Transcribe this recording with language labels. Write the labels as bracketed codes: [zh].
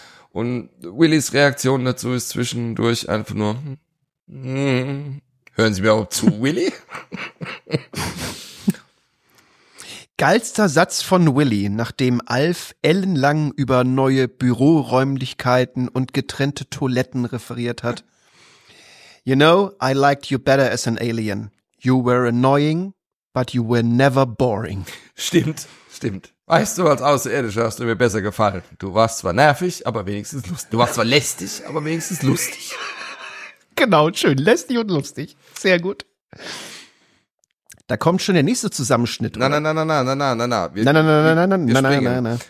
[de] Und Willis Reaktion dazu ist zwischendurch einfach nur, hören Sie mir auch zu, Willy? Geilster Satz von Willy, nachdem Alf ellenlang über neue Büroräumlichkeiten und getrennte Toiletten referiert hat. [en] You know, I liked you better as an alien. You were annoying, but you were never boring. [de] Stimmt. Weißt du, als Außerirdischer hast du mir besser gefallen. Du warst zwar nervig, aber wenigstens lustig. Du warst zwar lästig, aber wenigstens lustig. Genau, schön. Lästig und lustig. Sehr gut. Da kommt schon der nächste Zusammenschnitt. Nein.